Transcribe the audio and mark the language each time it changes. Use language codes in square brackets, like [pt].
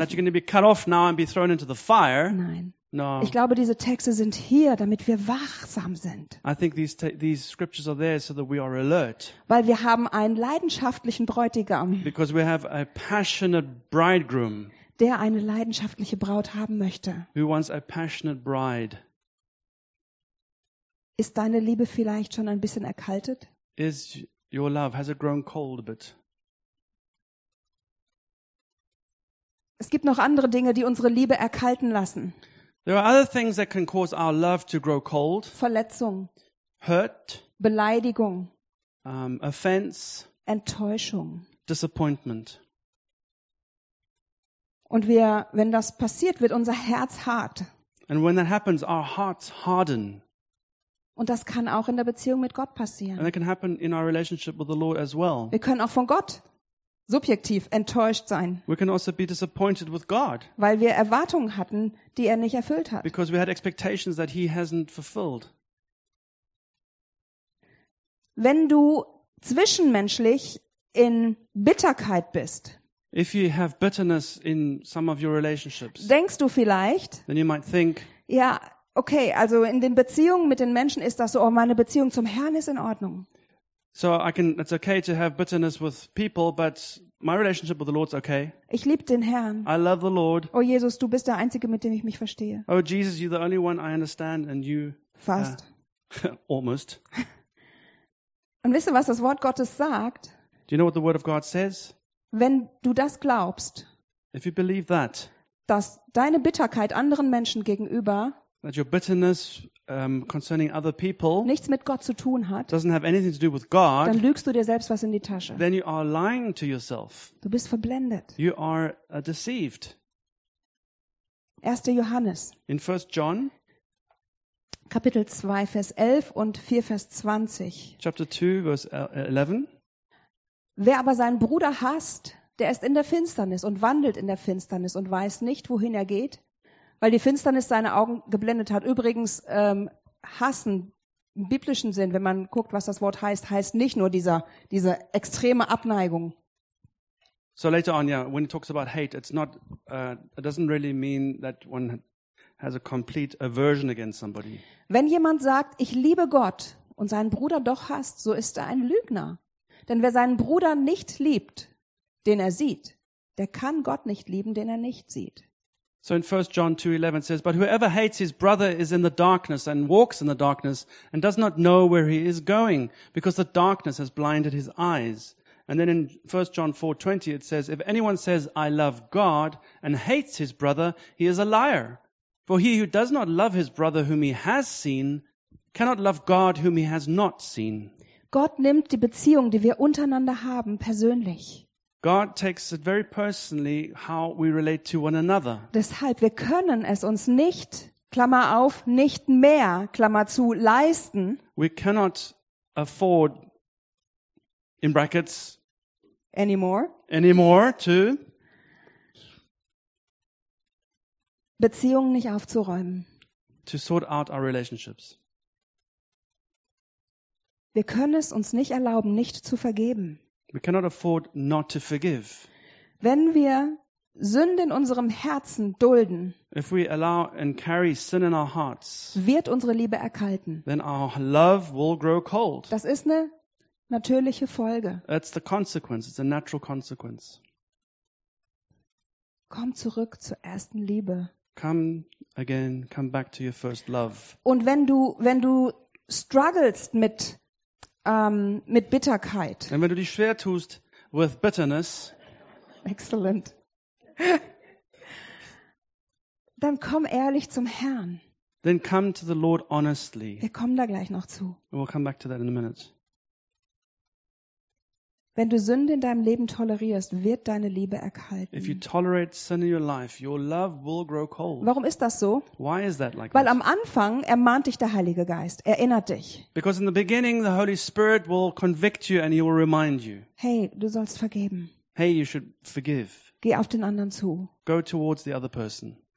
[en] And that you're going to be cut off now and be thrown into the fire. [de] Nein. [en] No. [de] Ich glaube, diese Texte sind hier, damit wir wachsam sind. [en] I think these scriptures are there so that we are alert. [de] Weil wir haben einen leidenschaftlichen Bräutigam. [en] Because we have a passionate bridegroom. [de] Der eine leidenschaftliche Braut haben möchte. [en] Who wants a passionate bride? [de] Ist deine Liebe vielleicht schon ein bisschen erkaltet? [en] Is your love, has it grown cold a bit? [de] Es gibt noch andere Dinge, die unsere Liebe erkalten lassen. [en] There are other things that can cause our love to grow cold. [de] Verletzung. [en] Hurt. [de] Beleidigung. [en] Offense. [de] Enttäuschung. [en] Disappointment. [de] Und wir, wenn das passiert, wird unser Herz hart. [en] And when that happens, our hearts harden. [de] Und das kann auch in der Beziehung mit Gott passieren. [en] And it can happen in our relationship with the Lord as well. [de] Wir können auch von Gott subjektiv enttäuscht sein. [en] We can also be disappointed with God. [de] Weil wir Erwartungen hatten, die er nicht erfüllt hat. [en] Because we had expectations that he hasn't fulfilled. [de] Wenn du zwischenmenschlich in Bitterkeit bist, [en] if you have bitterness in some of your relationships, [de] denkst du vielleicht, [en] then you might think, [de] ja, okay, also in den Beziehungen mit den Menschen ist das so, oh, meine Beziehung zum Herrn ist in Ordnung. [en] So I can, it's okay to have bitterness with people, but my relationship with the Lord's okay. [de] Ich liebe den Herrn. [en] I love the Lord. [de] Oh Jesus, du bist der Einzige, mit dem ich mich verstehe. [en] Oh Jesus, you're the only one I understand and you... [de] Fast. [en] Almost. [de] Und wisst ihr, was das Wort Gottes sagt? [en] Do you know what the Word of God says? [de] Wenn du das glaubst, [en] if you believe that, [de] dass deine Bitterkeit anderen Menschen gegenüber [en] that your bitterness, concerning other people, [de] nichts mit Gott zu tun hat, [en] doesn't have anything to do with God, [de] dann lügst du dir selbst was in die Tasche. [en] Then you are lying to yourself. [de] Du bist verblendet. [en] You are deceived. [de] 1. Johannes. [en] In 1. John. [de] Kapitel 2, Vers 11 und 4, Vers 20. [en] Chapter 2, Verse 11. [de] Wer aber seinen Bruder hasst, der ist in der Finsternis und wandelt in der Finsternis und weiß nicht, wohin er geht, weil die Finsternis seine Augen geblendet hat. Übrigens, hassen im biblischen Sinn, wenn man guckt, was das Wort heißt, heißt nicht nur diese extreme Abneigung. [en] So later on, yeah, when he talks about hate, it's not, it doesn't really mean that one has a complete aversion against somebody. [de] Wenn jemand sagt, ich liebe Gott und seinen Bruder doch hasst, so ist er ein Lügner. Denn wer seinen Bruder nicht liebt, den er sieht, der kann Gott nicht lieben, den er nicht sieht. [en] So in 1 John 2:11 says, but whoever hates his brother is in the darkness and walks in the darkness and does not know where he is going, because the darkness has blinded his eyes. And then in 1 John 4:20 it says, if anyone says, I love God and hates his brother, he is a liar. For he who does not love his brother whom he has seen cannot love God whom he has not seen. [de] Gott nimmt die Beziehung, die wir untereinander haben, persönlich. [en] God takes it very personally how we relate to one another. [de] Deshalb wir können es uns nicht, Klammer auf, nicht mehr, Klammer zu, leisten. [en] We cannot afford in brackets anymore to [de] Beziehungen nicht aufzuräumen. [en] To sort out our relationships. [de] Wir können es uns nicht erlauben, nicht zu vergeben. [en] We cannot afford not to forgive. [de] Wenn wir Sünde in unserem Herzen dulden, [en] if we allow and carry sin in our hearts, [de] wird unsere Liebe erkalten. [en] Then our love will grow cold. [de] Das ist eine natürliche Folge. [en] It's the consequence. It's a natural consequence. [de] Komm zurück zur ersten Liebe. [en] Come again. Come back to your first love. [de] Und wenn du strugglest mit Bitterkeit. Und wenn du dich schwer tust [en] with bitterness. Excellent. [de] Dann komm ehrlich zum Herrn. [en] Then come to the Lord honestly. [de] Wir kommen da gleich noch zu. [en] We'll come back to that in a minute. [de] Wenn du Sünde in deinem Leben tolerierst, wird deine Liebe erkalten. [en] If you tolerate sin in your life, your love will grow cold. [de] Warum ist das so? [en] Why is that like [de] Weil [en] that? [de] Am Anfang ermahnt dich der Heilige Geist, erinnert dich. [en] Because in the beginning the Holy Spirit will convict you and he will remind you. [de] Hey, du sollst vergeben. [en] Hey, you should forgive. [de] Geh auf den anderen zu. [en] Go towards the other person.